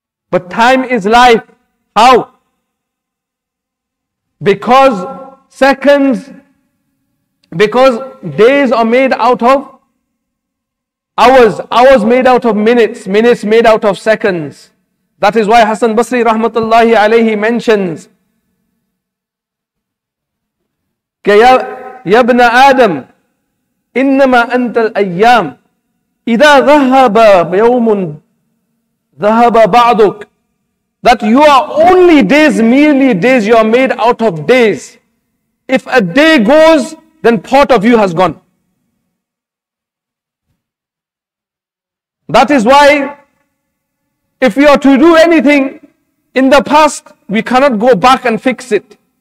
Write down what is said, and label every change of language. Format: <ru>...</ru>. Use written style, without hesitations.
<en>But time is life. How? Because seconds, because days are made out of hours, hours made out of minutes, minutes made out of seconds. That is why Hassan Basri rahmatullahi alayhi mentions,</en> <ar>يا ابن آدم إنما أنت الأيام إذا ذهب يوم ذهب بعضك.</ar> <en>That you are only days, merely days. You are made out of days. If a day goes, then part of you has gone. That is why if we are to do anything in the past, we cannot go back and fix it.</en>